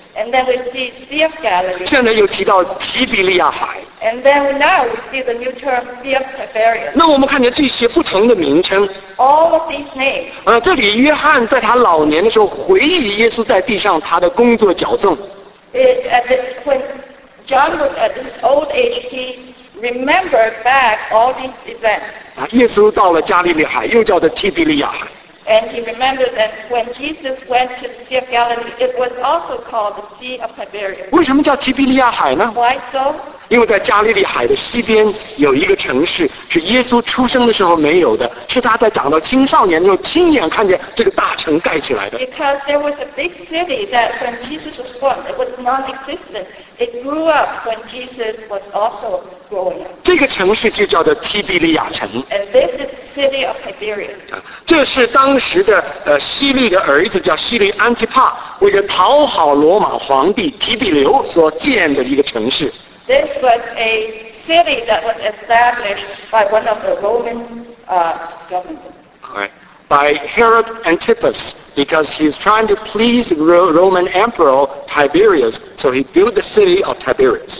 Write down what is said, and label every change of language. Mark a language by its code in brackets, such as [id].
[en] And then we see Sea of Galilee. [zh] 现在又提到基比利亚海。 [en] And then now we see the new term Sea of Tiberias. [zh] 那我们看见这些不同的名称。 [en] All of these names. [zh] 这里约翰在他老年的时候回忆耶稣在地上他的工作矫正。 [en] When John was at his old age, he remembered back all these events. [zh] 耶稣到了加利利海，又叫做基比利亚海。 [en] And he remembered that when Jesus went to the Sea of Galilee, it was also called the Sea of Tiberias. [zh] 为什么叫提比利亚海呢？ [en] Why so? [zh] 因为在加利利海的西边有一个城市是耶稣出生的时候没有的，是他在长到青少年的时候亲眼看见这个大城盖起来的。 [en] Because there was a big city that when Jesus was born, it was non-existent. It grew up when Jesus was also growing up. [zh] 这个城市就叫做提比利亚城。 [en] And this is the city of Tiberias. [zh] 这是当时的希律的儿子叫希律安提帕，为了讨好罗马皇帝提比留所建的一个城市。 [en] This was a city that was established by one of the Roman governors. Right. By Herod Antipas, because he's trying to please the Roman Emperor Tiberius, so he built the city of Tiberias.